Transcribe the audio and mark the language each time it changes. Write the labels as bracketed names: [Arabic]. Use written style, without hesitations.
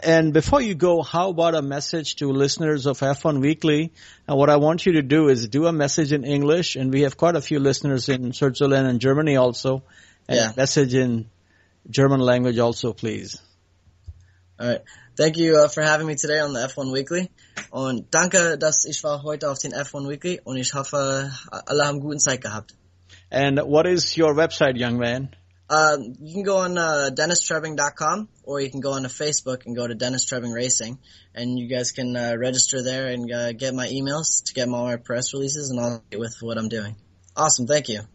[English] And before you go, how about a message to listeners of F1 Weekly? And what I want you to do is do a message in English. And we have quite a few listeners in Switzerland and Germany also. And a message in German language also, please. All right. Thank you for having me today on the F1 Weekly. [German] Und danke, dass ich war heute auf den F1 Weekly und ich hoffe, alle haben guten Zeit gehabt. [English] And what is your website, young man? You can go on DennisTrebbing.com or you can go on to Facebook and go to Dennis Trebbing Racing and you guys can register there and get my emails to get all my press releases and I'll get with what I'm doing. Awesome, thank you.